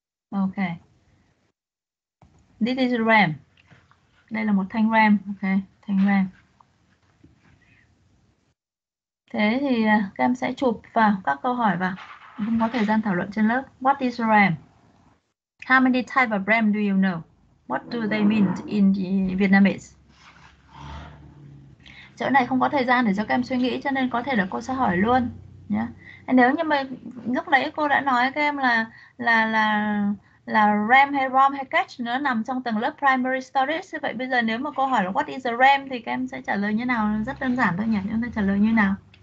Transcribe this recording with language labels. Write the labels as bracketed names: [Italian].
[English] Ok. This is RAM. [Vietnamese] Đây là một thanh RAM. Ok, thanh RAM. Thế thì các em sẽ chụp vào các câu hỏi vào. Không có thời gian thảo luận trên lớp. [English] What is RAM? How many type of RAM do you know? What do they mean in the Vietnamese? [Vietnamese] Chỗ này không có thời gian để cho các em suy nghĩ, cho nên có thể là cô sẽ hỏi luôn nhá. Yeah. Nếu như mà lúc nãy cô đã nói các em là RAM hay ROM hay cache nó nằm trong tầng lớp primary storage, vậy bây giờ nếu mà cô hỏi là [English] what is a RAM [Vietnamese] thì các em sẽ trả lời như nào? Rất đơn giản thôi nhỉ. Chúng ta trả lời như nào?